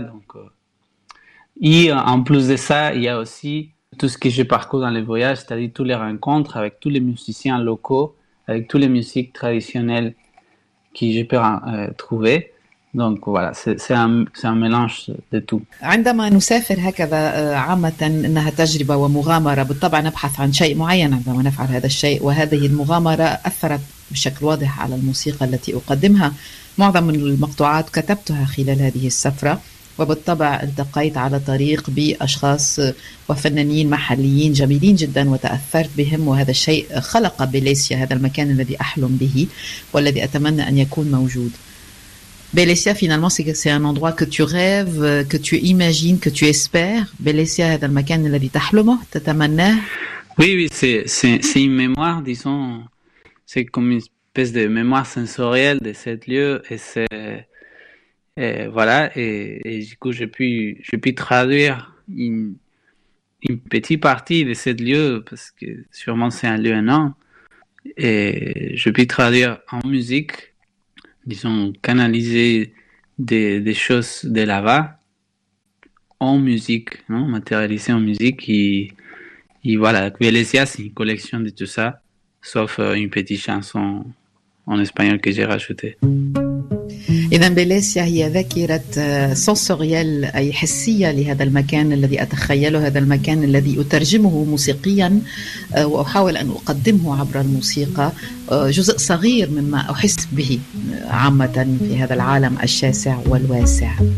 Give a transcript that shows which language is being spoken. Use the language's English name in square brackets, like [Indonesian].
[French] Donc, et en plus de ça, il y a aussi tout ce que je parcours dans les voyages, c'est-à-dire toutes les rencontres avec tous les musiciens locaux, avec toutes les musiques traditionnelles que je peux trouver. Donc voilà, c'est un mélange de tout. [Arabic] عندما نسافر هكذا عامة إنها تجربة ومغامرة، بالطبع نبحث عن شيء معين عندما نفعل هذا الشيء، وهذه المغامرة أثرت بشكل واضح على الموسيقى التي أقدمها. معظم المقطوعات كتبتها خلال هذه السفرة، وبالطبع التقيت على طريق بأشخاص وفنانين محليين جميلين جدا وتأثرت بهم، وهذا الشيء خلق بيليسيا، هذا المكان الذي أحلم به والذي أتمنى أن يكون موجود. [French] Bélessia, finalement, c'est un endroit que tu rêves, que tu imagines, que tu espères. Bélessia, c'est un endroit que tu rêves, que tu imagines, que tu espères. Oui, c'est une mémoire, disons, c'est comme une espèce de mémoire sensorielle de ce lieu, et c'est voilà, et du coup, j'ai pu traduire une petite partie de ce lieu, parce que sûrement c'est un lieu énorme, et j'ai pu traduire en musique, disons, canaliser des choses de là-bas en musique, non, matérialiser en musique. Et voilà, Vélésia, c'est une collection de tout ça, sauf une petite chanson en espagnol que j'ai rajoutée. [Arabic] إذا بليسيا هي ذاكرة سنسوريال أي حسية لهذا المكان الذي أتخيله، هذا المكان الذي أترجمه موسيقيا وأحاول أن أقدمه عبر الموسيقى، جزء صغير مما أحس به عامة في هذا العالم الشاسع والواسع.